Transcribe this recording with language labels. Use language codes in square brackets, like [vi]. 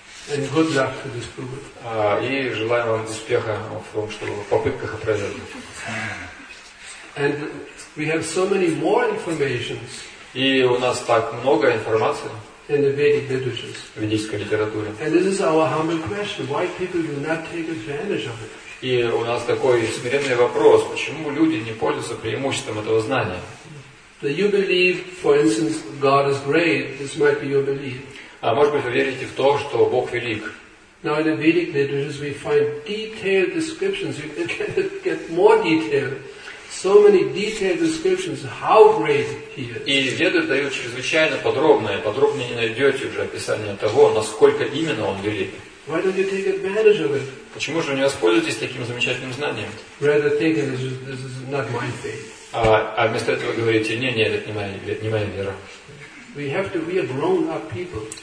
[en] And good luck to disprove it. [ru] И желаем вам успеха в том, чтобы в попытках опровергнуть. [en] And we have so many more informations. [ru] И у нас так много информации. [en] In the Vedic literatures. [ru] В ведической литературе. [en] And this is our humble question: why people do not take advantage of it? [ru] И у нас такой смиренный вопрос: почему люди не пользуются преимуществом этого знания? [en] Do you believe, for instance, God is great? This might be your belief. [ru] А может быть, вы верите в то, что Бог велик? [en] Now in the Vedic literatures we find detailed descriptions. You can get more detail. So many detailed descriptions how great he is. [ru] И веды дают чрезвычайно подробное. Подробнее не найдете уже описание того, насколько именно он велик. [en] Why don't you take advantage of it? [ru] Почему же вы не воспользуетесь таким замечательным знанием? [en] Rather thinking this is not my faith. [ru] А вместо этого говорите: не, это не моя вера. [en] We have to. We are grown up people.